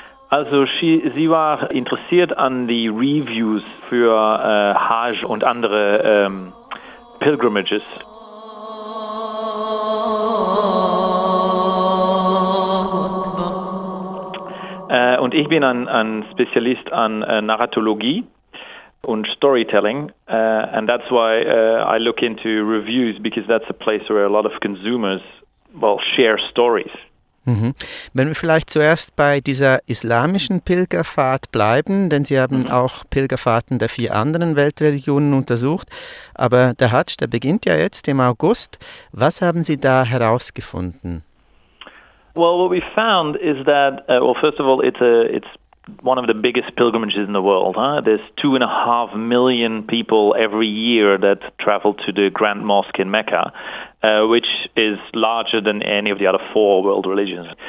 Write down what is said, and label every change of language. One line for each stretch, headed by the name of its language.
German: Also sie war interessiert an die Reviews für Hajj und andere Pilgrimages. Und ich bin ein Spezialist an Narratologie und Storytelling.
English: And that's why I look into reviews, because that's a place where a lot of consumers share stories. Mhm.
German: Wenn wir vielleicht zuerst bei dieser islamischen Pilgerfahrt bleiben, denn Sie haben auch Pilgerfahrten der 4 anderen Weltreligionen untersucht. Aber der Hajj, der beginnt ja jetzt im August. Was haben Sie da herausgefunden?
English: Well, what we found is that, first of all, it's one of the biggest pilgrimages in the world. Huh? There's 2.5 million people every year that travel to the Grand Mosque in Mecca, which is larger than any of the other 4 world religions.